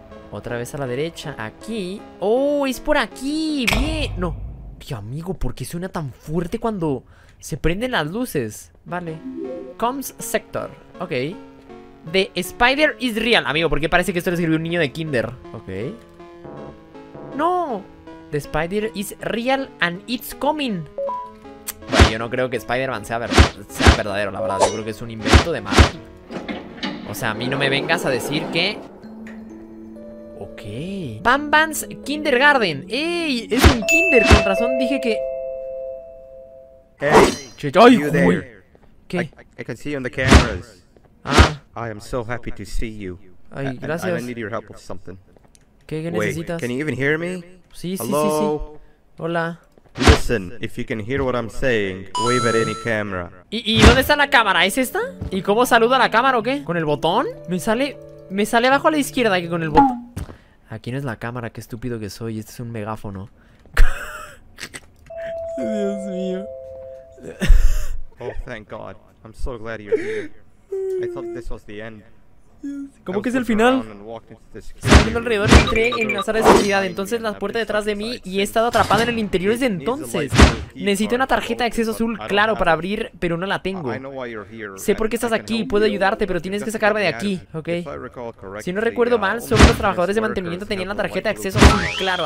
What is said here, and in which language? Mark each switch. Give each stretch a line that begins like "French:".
Spanish: Otra vez a la derecha. Aquí. ¡Oh, es por aquí! ¡Bien! No. Mi amigo, ¿por qué suena tan fuerte cuando se prenden las luces? Vale.
English: Comms sector. Ok. The spider is real.
Spanish: Amigo, ¿por qué parece que esto lo escribió un niño de kinder? Ok. ¡No!
English: The spider is real and it's coming.
Spanish: Bueno, yo no creo que Spider-Man sea verdadero, la verdad. Yo creo que es un invento de Marvel. O sea, a mí no me vengas a decir que... Ok. Bamban's Kindergarten. ¡Ey! Es un kinder. Con razón dije que...
English: Hey,
Spanish: ¡ay, güey! ¿Qué?
English: I can see you on the cameras. Ah. I am so happy to see you.
Spanish: Ay, gracias.
English: I need your help with something.
Spanish: ¿Qué necesitas?
English: Wait, can you even hear me?
Spanish: Sí, sí, hello? Sí, sí. Hola.
English: Listen, if you can hear what I'm saying, wave at any camera.
Spanish: ¿Y dónde está la cámara? ¿Es esta? ¿Y cómo saludo a la cámara o qué? ¿Con el botón? Me sale abajo a la izquierda que con el botón. Aquí no es la cámara, qué estúpido que soy. Este es un megáfono. Dios mío.
English: Oh, thank God. I'm so glad you're here. I thought this was the end.
Spanish: ¿Cómo que es el final? Estoy viendo alrededor y entré en la sala de seguridad. Entonces la puerta detrás de mí y he estado atrapado en el interior desde entonces. Necesito una tarjeta de acceso azul, claro, para abrir, pero no la tengo. Sé por qué estás aquí, puedo ayudarte, pero tienes que sacarme de aquí, ¿ok? Si no recuerdo mal, solo los trabajadores de mantenimiento tenían la tarjeta de acceso azul, claro.